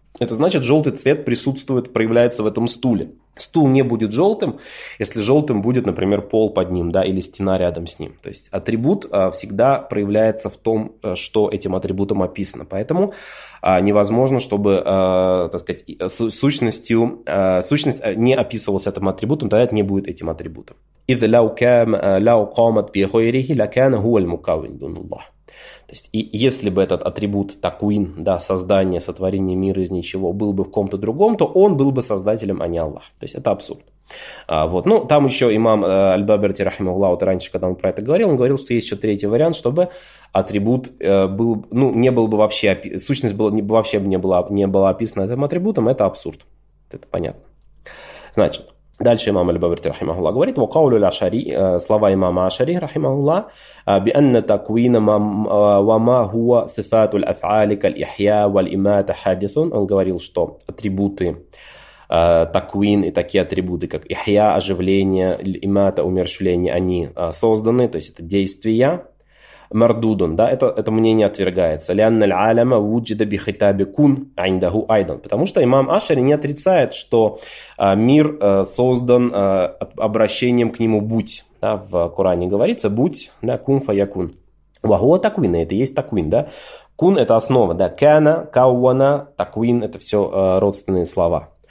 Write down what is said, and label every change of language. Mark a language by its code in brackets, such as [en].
[ru] Это значит, желтый цвет присутствует, проявляется в этом стуле. Стул не будет желтым, если желтым будет, например, пол под ним, да, или стена рядом с ним. То есть атрибут всегда проявляется в том, что этим атрибутом описано. Поэтому невозможно, чтобы, так сказать, сущность не описывалась этим атрибутом, тогда это не будет этим атрибутом. [ar] إذ لو قامت بغيره لكان هو المكون دون الله. [ru] То есть, и если бы этот атрибут такуин, да, создание, сотворение мира из ничего, был бы в ком-то другом, то он был бы создателем, а не Аллах. То есть, это абсурд. Вот. Ну, там еще имам Аль-Баберти, рахимахуллах, вот раньше, когда он про это говорил, он говорил, что есть еще третий вариант, чтобы атрибут был, ну, не был бы вообще, сущность была, вообще бы не была описана этим атрибутом, это абсурд. Это понятно. Значит, дальше имам Аль-Баберти, рахимахуллах, говорит, [ar] وقولوا الأشعري, [ru] слова имама Ашари, рахимахуллах, [ar] بأن تكوين وما هو صفات الأفعال كالإحياء والإماتة حادث. [ru] Он говорил, что атрибуты такуин и такие атрибуты, как ихья, оживление, имата, умерщвление, они созданы, то есть это действия. Мардудун, да, это мнение отвергается. [ar] لأن العالم وجد بخطاب كون عنده أيضا. [ru] Потому что имам Ашари не отрицает, что мир создан обращением к нему будь. Да, в Коране говорится будь, да, [ar] кун фа якун. [ru] Вахуа такуин, это есть такуин, да. Кун это основа, да. Кана, кауана, такуин, это все родственные слова.